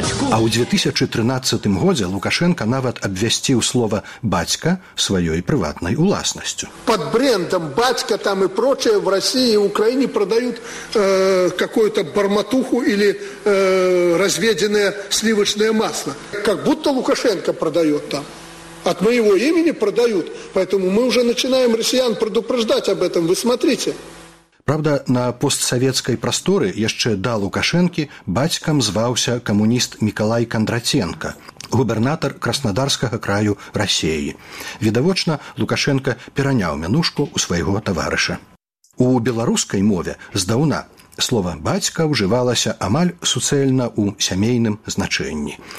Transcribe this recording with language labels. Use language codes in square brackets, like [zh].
[be] А ў 2013 годзе Лукашэнка нават абвясціў слова «бацька» сваёй прыватнай уласнасцю. Пад брендам «бацька» там і прочае в Расіі і Украіне прадаюць [ru] какую-то барматуху или [be] разведзенае слівачнае масла. [ru] Как будто Лукашэнка прадаёт там. От моего імені прадаюць. Поэтому мы уже начинаем россиян предупреждать об этом. Вы смотрите. [be] Правда, на постсавецкай прасторы яшчэ да Лукашэнкі бацькам зваўся камуніст Мікалай Кандрацэнка, губернатар Краснадарскага краю Расіі. Відавочна, Лукашэнка пераняў мянушку ў свайго таварыша. У беларускай мове здаўна слова «бацька» ўжывалася амаль суцэльна ў сямейным значэнні.